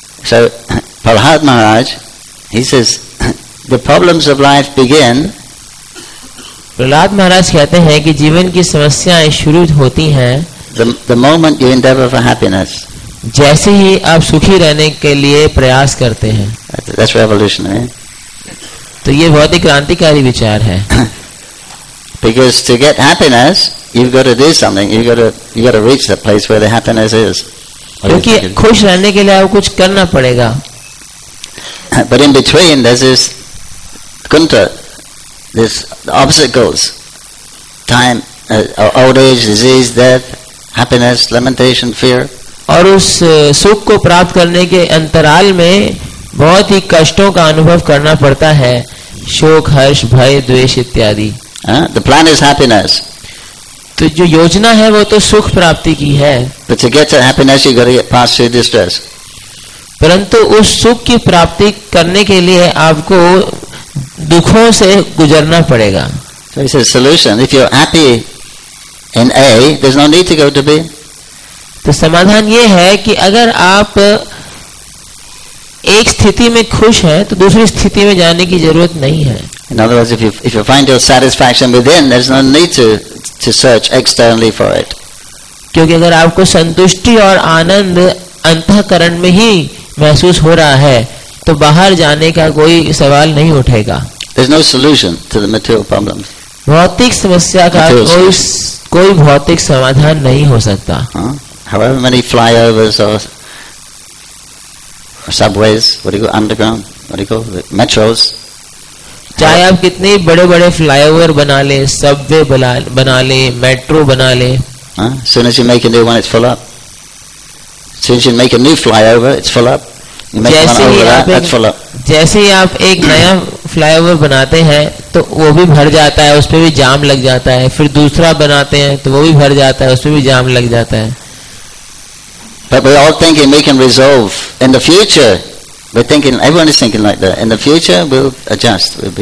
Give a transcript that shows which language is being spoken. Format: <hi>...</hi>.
<en>So Prahlad Maharaj, he says, the problems of life begin.</en> <hi>Prahlad महाराज कहते हैं कि जीवन की समस्याएं शुरू होती हैं.</hi> <en>The moment you endeavor for happiness.</en> <hi>जैसे ही आप सुखी रहने के लिए प्रयास करते हैं.</hi> <en>That's revolutionary.</en> <hi>तो ये बहुत ही क्रांतिकारी विचार है.</hi> <en>Because to get happiness, you've got to do something. You've got to reach the place where the happiness is.</en> <hi>क्योंकि खुश रहने के लिए आपको कुछ करना पड़ेगा.</hi> <en>But in between, there's this kunta. This obstacles, time, old age, disease, death, happiness, lamentation, fear.</en> <hi>और उस सुख को प्राप्त करने के अंतराल में बहुत ही कष्टों का अनुभव करना पड़ता है, शोक, हर्ष, भय, द्वेष इत्यादि.</hi> <en>The plan is happiness.</en> <hi>तो जो योजना है वो तो सुख प्राप्ति की है.</hi> <en>But to get to happiness, you got to get past through distress.</en> <hi>परंतु उस सुख की प्राप्ति करने के लिए आपको दुखों से गुजरना पड़ेगा.</hi> <en>So it's a solution. If you're happy in A, there's no need to go to B.</en> <hi>तो समाधान ये है कि अगर आप एक स्थिति में खुश हैं, तो दूसरी स्थिति में जाने की जरूरत नहीं है.</hi> <en>In other words, if you find your satisfaction within, there's no need to search externally for it.</en> <hi>क्योंकि अगर आपको संतुष्टि और आनंद अंतःकरण में ही महसूस हो रहा है, तो बाहर जाने का कोई सवाल नहीं उठेगा.</hi> <en>There's no solution to the material problems.</en> <hi>भौतिक समस्या का कोई भौतिक समाधान नहीं हो सकता.</hi> <en>However many flyovers or subways, what do you call, underground, what do you call, metros.</en> <hi>चाहे आप कितने बड़े बड़े फ्लाईओवर बना ले, सबवे बना ले, मेट्रो बना ले,</hi> <en>soon as you make a new one, it's full up. Soon as you make a new flyover, it's full up. You make one over that, that's full up.</en> <hi>जैसे ही आप एक नया फ्लाईओवर बनाते हैं तो वो भी भर जाता है, उस पर भी जाम लग जाता है. फिर दूसरा बनाते हैं तो वो भी भर जाता है, उस पर भी जाम लग जाता है.</hi> <en>But we all think and make and resolve in the future. We're thinking, everyone is thinking like that. In the future, we'll adjust.</en>